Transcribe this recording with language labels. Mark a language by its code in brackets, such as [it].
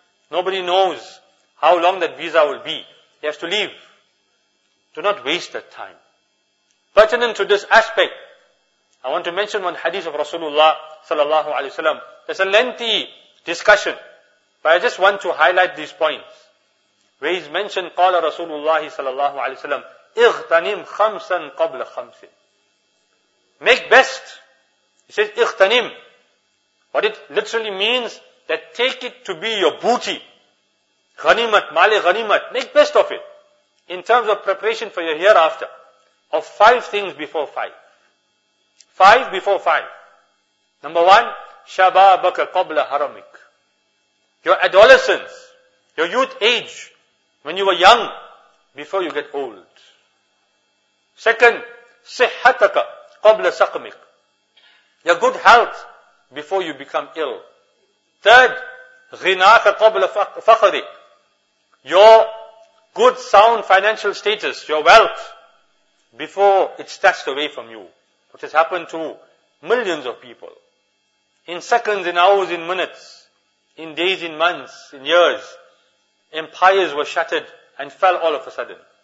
[en] Nobody knows how long that visa will be. He has to leave. Do not waste that time. Pertinent to this aspect, I want to mention one hadith of Rasulullah sallallahu alaihi wasallam. There's a lengthy discussion, but I just want to highlight these points. Where he's mentioned, [ar] قال رسول الله صلى الله عليه وسلم اغتنم خمسا قبل خمس. [en] Make best. He says اغتنم. What it literally means, that take it to be your booty. [ur] غنيمت, مالي غنيمت. [en] Make best of it. In terms of preparation for your hereafter. Of five things before five. Five before five. Number one, [ar] شَبَابَكَ قَبْلَ حَرَمِكَ. [en] Your adolescence, your youth age, when you were young, before you get old. Second, [ar] صِحَّتَكَ قَبْلَ سَقْمِكَ. [en] Your good health before you become ill. Third, [ar] غِنَاكَ قَبْلَ فَخَرِكَ. [en] Your good sound financial status, your wealth, before it's snatched away from you, which has happened to millions of people. In seconds, in hours, in minutes, in days, in months, in years, empires were shattered and fell all of a sudden.